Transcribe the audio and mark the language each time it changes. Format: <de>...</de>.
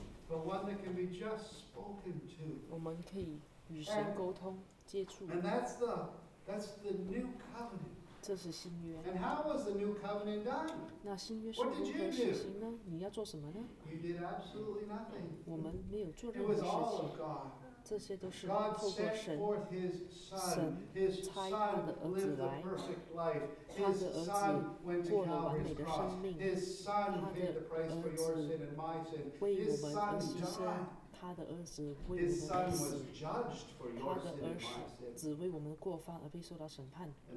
<en>But one that can be just spoken to.</en> <zh>我们可以与神沟通、接触。</zh> <en>And that's the new covenant.</en> <zh>这是新约。</zh> <en>And how was the new covenant done?</en> <zh>那新约是如何实行呢？你要做什么呢？</zh> <en>You did absolutely nothing.</en> <zh>我们没有做任何事情。</zh> <en>It was all of God.</en> <zh>这些都是透过神，神差他的儿子来，他的儿子过了完美的生命，他的儿子为我们而牺牲，他的儿子为我们而死，他的儿子为我们过犯而被受到审判。</zh>